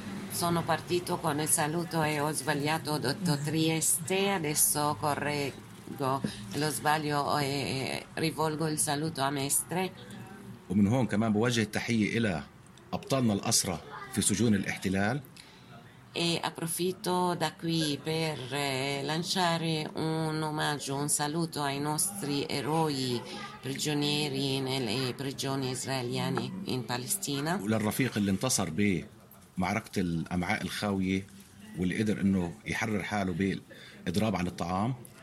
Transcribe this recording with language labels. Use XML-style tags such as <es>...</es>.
<it>Sono partito con il saluto e ho sbagliato ho detto Trieste, adesso correggo lo sbaglio e rivolgo il saluto a ميستري.</it> <ar>ومن هون كمان بوجه التحية إلى أبطالنا الأسرى في سجون الاحتلال.</ar> <it>E approfitto da qui per lanciare un omaggio, un saluto ai nostri eroi prigionieri nelle prigioni israeliane in Palestina.</it> <ar>وللرفيق اللي انتصر بمعركة الأمعاء الخاوية واللي قدر إنه يحرر حاله بالإضراب عن الطعام.</ar>